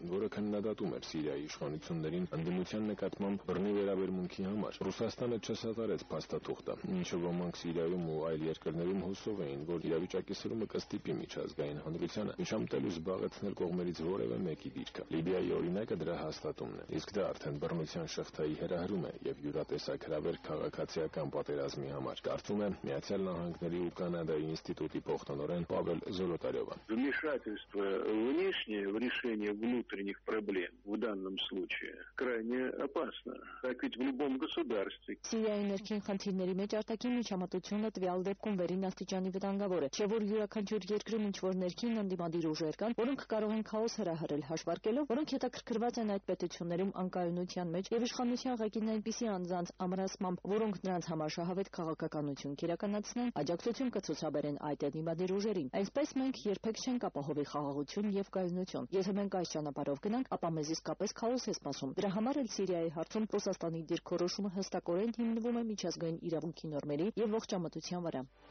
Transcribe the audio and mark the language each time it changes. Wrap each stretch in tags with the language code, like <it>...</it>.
<hy>որը քննադատում էր Սիրիայի իշխանություններին ընդդիմության նկատմամբ բռնի վերաբերմունքի համար։ Ռուսաստանը չսատարեց փաստաթուղթը, ինչը ոմանք Սիրիայում ու այլ երկրներում հուսով էին, որ իրավիճակի սրումը կստիպի միջազգային հանրությանը միջամտելու զբաղեցնել կողմերից որևէ մեկի դիրքը։ Լիբիայի օրինակը դրա հաստատումն է, իսկ դա արդեն բ պատերազմության շղթայի հերահրում է եւ յուրատեսակ հրավեր քաղաքացիական պատերազմի համար։ Կարծում եմ, Միացյալ Նահանգների ու Կանադայի ինստիտուտի փոխտնօրեն Պավել Զորոտարյովը։</hy> <ru>Вмешательство внешнее в решение внутренних проблем в данном случае крайне опасно, как ведь в любом государстве.</ru> <hy>Սիրիայի ներքին խնդիրների մեջ արտաքին միջամտությունը տվյալ դեպքում վերին աստիճանի վտանգավոր է, չէ՞ որ յուրաքանչյուր երկրում ինչ որ ներքին ընդդիմադիր ուժեր կան, որոնք կարող են քաոս հրահրել հաշվարկելով, որոնք հետաքրքրված են այդ պետություններում անկայունության մեջ եւ իշխանության ղեկին այնպիսի անձանց ամրացմամբ, որոնք նրանց համար շահավետ քաղաքականություն կիրականացնեն, աջակցություն կցուցաբերեն այդ ընդդիմադիր ուժերին։ Այսպես մենք երբեք չենք ապահովի խաղաղություն եւ կայունություն։ Եթե մենք այս ճանապարհով գնանք, ապա մեզ իսկապես քաոս է սպասում։ Դրա համար էլ Սիրիայի հարցում Ռուսաստանի դիրքորոշումը հստակորեն հիմնվում է միջազգային իրավունքի նորմերի եւ ողջամտության վրա։</hy>